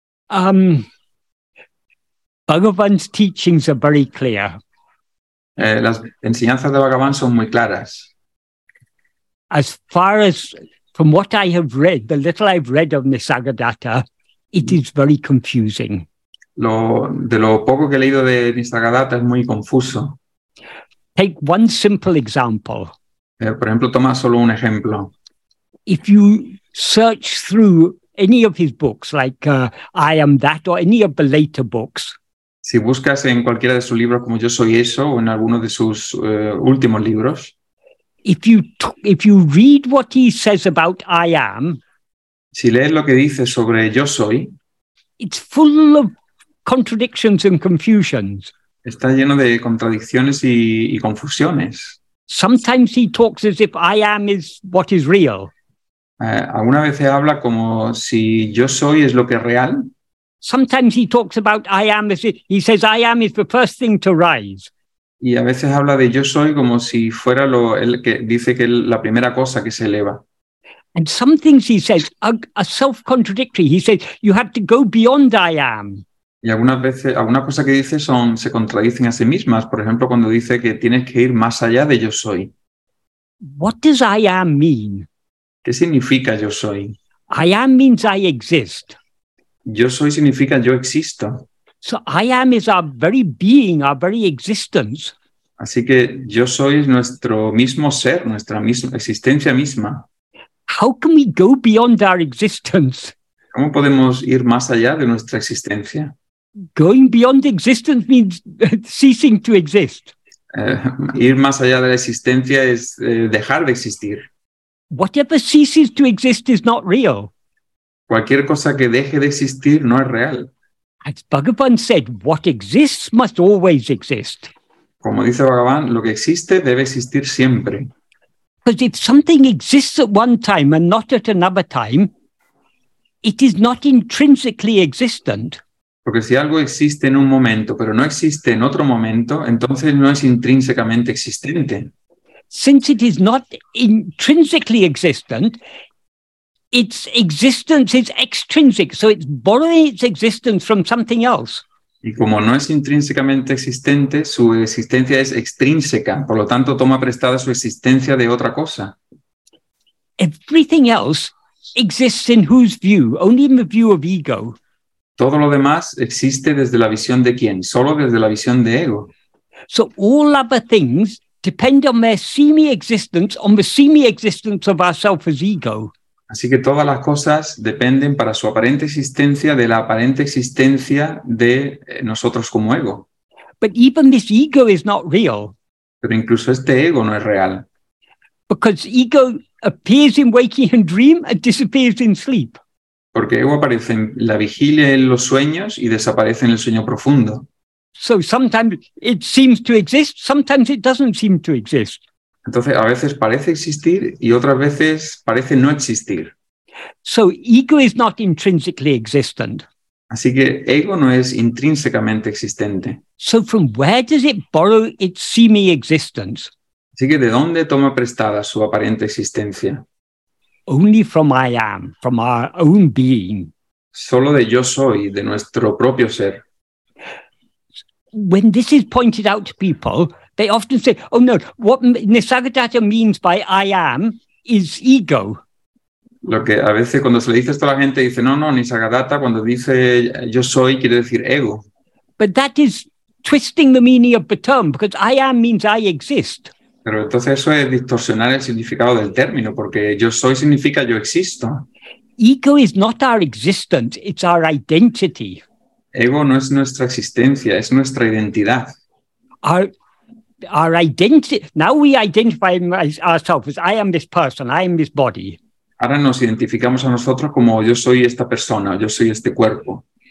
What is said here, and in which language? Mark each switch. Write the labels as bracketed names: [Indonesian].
[English] Bhagavan's teachings are very clear. [Spanish] Las enseñanzas de Bhagavan son muy claras. [English] As far as, from what I have read, the little I've read of Nisargadatta, it is very confusing. [Spanish] De lo poco que he leído de Nisargadatta es muy confuso. [English] Take one simple example. [Spanish] Por ejemplo, toma solo un ejemplo. [English] If you search through any of his books, like I Am That, or any of the later books, [Spanish] Si buscas en cualquiera de sus libros como Yo soy eso o en alguno de sus últimos libros. [English] If you read what he says about I am. [Spanish] Si lees lo que dice sobre Yo soy. [English] It's full of contradictions and confusions. [Spanish] Está lleno de contradicciones y confusiones. [English] Sometimes he talks as if I am is what is real. [Spanish] Alguna vez habla como si yo soy es lo que es real. [English] Sometimes he talks about I am as if he says I am is the first thing to rise. [Spanish] Y a veces habla de yo soy como si fuera lo el que dice que es la primera cosa que se eleva. [English] And some things he says are self-contradictory. He says you have to go beyond I am. [Spanish] Y algunas veces, algunas cosas que dice son, se contradicen a sí mismas. Por ejemplo, cuando dice que tienes que ir más allá de yo soy. [English] What does I am mean? [Spanish] ¿Qué significa yo soy? [English] I am means I exist. [Spanish] Yo soy significa yo existo. [English] So I am is our very being, our very existence. [Spanish] Así que yo soy es nuestro mismo ser, nuestra misma existencia misma. [English] How can we go beyond our existence? [Spanish] ¿Cómo podemos ir más allá de nuestra existencia? [English] Going beyond existence means ceasing to exist. [Spanish] Ir más allá de la existencia es dejar de existir. [English] Whatever ceases to exist is not real. [Spanish] Cualquier cosa que deje de existir no es real. [English] As Bhagavan said, what exists must always exist. [Spanish] Como dice Bhagavan, lo que existe debe existir siempre. [English] Because if something exists at one time and not at another time, it is not intrinsically existent. [Spanish] Porque si algo existe en un momento, pero no existe en otro momento, entonces no es intrínsecamente existente. [English] Since it is not intrinsically existent, its existence is extrinsic, so it's borrowing its existence from something else. [Spanish] Y como no es intrínsecamente existente, su existencia es extrínseca, por lo tanto toma prestada su existencia de otra cosa. [English] Everything else exists in whose view? Only in the view of ego. [Spanish] Todo lo demás existe desde la visión de quién? Solo desde la visión de ego. [English] So all other things depend on their semi-existence, on the semi-existence of ourself as ego. [Spanish] Así que todas las cosas dependen para su aparente existencia de la aparente existencia de nosotros como ego. [English] But even this ego is not real. [Spanish] Pero incluso este ego no es real. [English] Because ego appears in waking and dream and disappears in sleep. [Spanish] Porque ego aparece en la vigilia, en los sueños y desaparece en el sueño profundo. [English] So sometimes it seems to exist, sometimes it doesn't seem to exist. [Spanish] Entonces, a veces parece existir y otras veces parece no existir. [English] So ego is not intrinsically existent. [Spanish] Así que ego no es intrínsecamente existente. [English] So from where does it borrow its semi-existence? [Spanish] Así que ¿de dónde toma prestada su aparente existencia? [English] Only from I am, from our own being. [Spanish] Solo de yo soy, de nuestro propio ser. [English] When this is pointed out to people, they often say, oh no, what Nisargadatta means by I am is ego. [Spanish] Lo que a veces cuando se le dice esto a la gente dice, no, Nisargadatta cuando dice yo soy quiere decir ego. [English] But that is twisting the meaning of the term, because I am means I exist. [Spanish] Pero entonces eso es distorsionar el significado del término, porque yo soy significa yo existo. [English] Ego is not our existence, it's our identity. [Spanish] Ego no es nuestra existencia, es nuestra identidad. [English] Our identity. Now we identify ourselves as I am this person, I am this body. [Spanish] Ahora nos identificamos a nosotros como yo soy esta persona, yo soy este cuerpo.